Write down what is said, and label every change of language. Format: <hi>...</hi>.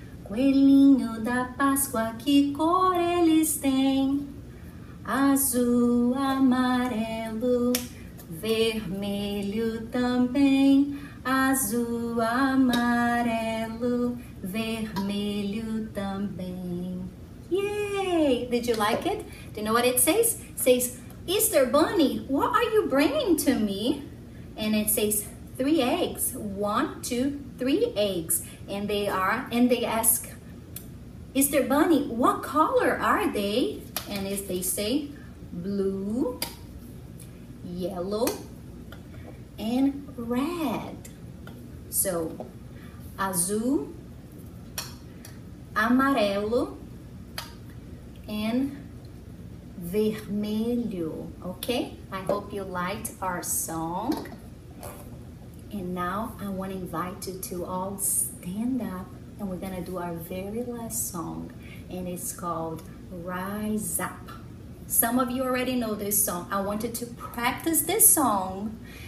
<pt>Coelhinho da Páscoa, que cor eles têm? Azul, amarelo, vermelho também. Azul, amarelo, vermelho também.</pt> <en>Yay! Did you like it? Do you know what it says? It says, Easter Bunny, what are you bringing to me? And it says, three eggs. One, two, three eggs. And they are, and they ask, Easter Bunny, what color are they? And as they say, blue, yellow, and red.</en> <pt>So, azul, amarelo, and vermelho.</pt> <en>Okay, I hope you liked our song. And now I want to invite you to all stand up, and we're gonna do our very last song, and it's called Rise Up. Some of you already know this song. I want you to practice this song.</en>